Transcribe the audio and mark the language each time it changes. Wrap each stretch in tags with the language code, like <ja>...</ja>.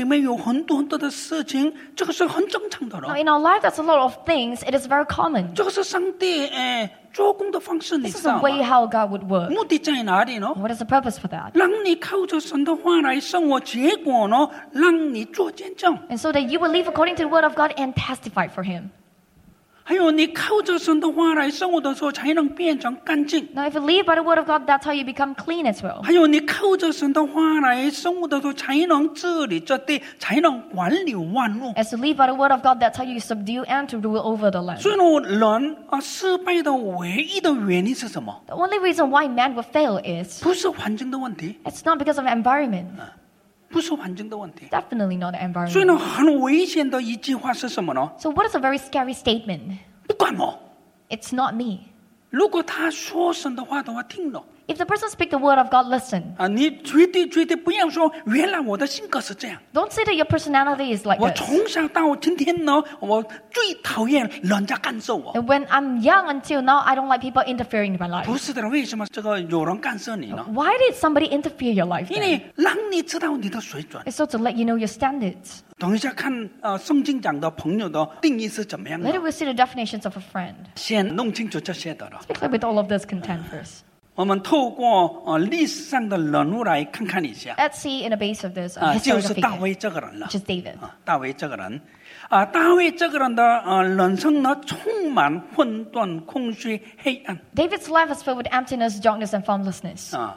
<zh>你慢慢看到啊，在我们的人生里面有很多很多的事情，这个是很正常的了。</zh> <en>In our life, that's a lot of things. It is very common.</en> <zh>这个是上帝。</zh> <en>This is the way how God would work.</en> <zh>目的在哪里呢?</zh> <en>What is the purpose for that?</en> <zh>让你靠着神的话来生活，结果呢，让你做见证。</zh> <en>And so that you will live according to the word of God and testify for Him.</en> <zh>还有你靠着神的话来生活的时候，才能变成干净。</zh> <en>Now, if you live by the word of God, that's how you become clean as well.</en> <zh>还有你靠着神的话来生活的时候，才能治理这地，才能管理万物。</zh> <en>As you live by the word of God, that's how you subdue and to rule over the land.</en> <zh>所以呢，人失败的唯一的原因是什么？</zh> <en>The only reason why man will fail is</en> <zh>不是环境的问题。</zh> <en>It's not because of environment.</en> <zh>不是环境的问题。</zh> <en>Definitely not the environment.</en> <zh>所以呢，很危险的一句话是什么呢？</zh> <en>So what is a very scary statement?</en> <zh>不管我。</zh> <en>It's not me.</en> <zh>如果他说神的话的话，听了。</zh> <en>If the person speaks the word of God, listen.</en> <zh>你绝对不要说，原来我的性格是这样。</zh> <en>Don't say that your personality is like this.</en> <zh>我从小到今天呢，我最讨厌人家干涉我。</zh> <en>When I'm young until now, I don't like people interfering in my life.</en> <zh>不是的，为什么这个有人干涉你呢？</zh> <en>Why did somebody interfere your life?</en> <zh>因为让你知道你的水准。</zh> <en>It's so to let you know your standards.</en> <zh>等一下看，圣经讲的朋友的定义是怎么样的。</zh> <en>Later we'll see the definitions of a friend.</en> <zh>先弄清楚这些的了。</zh> <en>Speak with all of this content first.</en> <zh>我们透过历史上的人物来看看一下。</zh> <en>Let's see in the base of this.</en> <zh>就是大卫这个人了。</zh> <en>Just David.</en> <zh>大卫这个人的人生呢，充满混沌、空虚、黑暗。</zh> <en>David's life is filled with emptiness, darkness, and formlessness.</en>